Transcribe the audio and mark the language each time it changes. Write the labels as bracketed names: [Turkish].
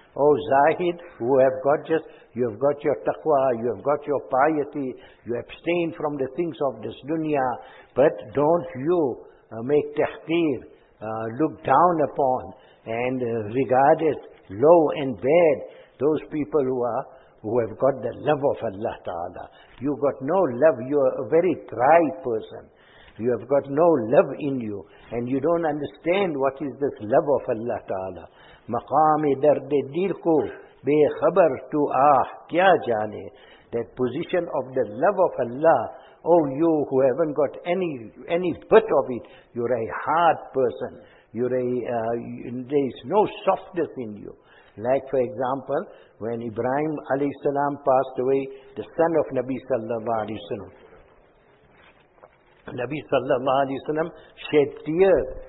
[Urdu] O Zahid, [English] you have got your taqwa, you have got your piety, you abstain from the things of this dunya, but don't you make tahqeer, look down upon and regard as low and bad those people who have got the love of Allah Ta'ala. You got no love, you are a very dry person. You have got no love in you, and you don't understand what is this love of Allah Ta'ala. [Urdu] مقامِ دردِ دل کو بے خبر تو آہ کیا جانے. [English] That position of the love of Allah, oh you who haven't got any bit of it, you're a hard person. There is no softness in you. Like for example, when Ibrahim alayhi salam passed away, the son of Nabi sallallahu alayhi wa sallam, Nabi sallallahu alayhi wa sallam shed tears.